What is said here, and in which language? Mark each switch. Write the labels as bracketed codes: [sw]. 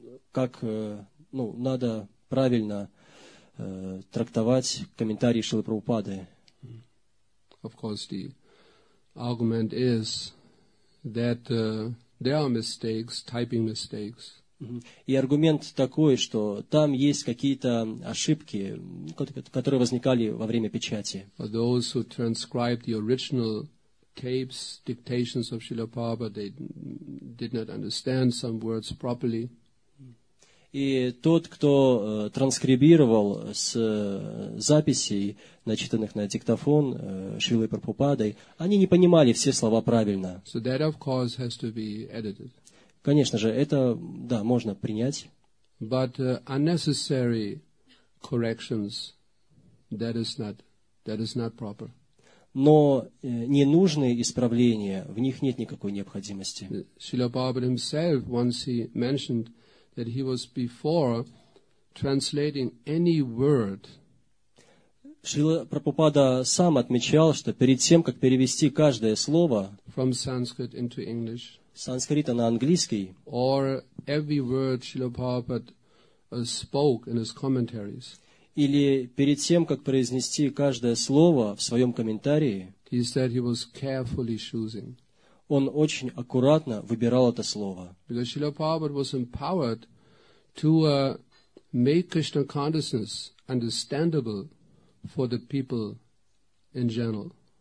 [ru] Как ну надо правильно трактовать комментарии Шрилы Прабхупады. [en] Of course, the argument is that there are mistakes, typing mistakes. [ru] И аргумент такой, что там есть какие-то ошибки, которые возникали во время печати. [en] For those who transcribed the original tapes, dictations of Srila Prabhupada, they did not understand some words properly. [ru] И тот, кто транскрибировал с записей, начитанных на диктофон Шрилой Прабхупадой, они не понимали все слова правильно. [en] So that of course has to be edited. [ru] Конечно же, это, да, можно принять. [en] But unnecessary corrections, that is not proper. [ru] Но ненужные исправления, в них нет никакой необходимости. [en] Srila Prabhupada himself, once he mentioned that he was before translating any word. [ru] Шрила Прабхупада сам отмечал, что перед тем, как перевести каждое слово [en] from Sanskrit into English, [ru] санскрита на английский, [en] or every word Srila Prabhupada spoke in his commentaries, [ru] или перед тем, как произнести каждое слово в своем комментарии, [en] he said he was carefully choosing. [ru] Он очень аккуратно выбирал это слово. [en] Because Srila Prabhupada was empowered to make Krishna consciousness understandable for the people in general.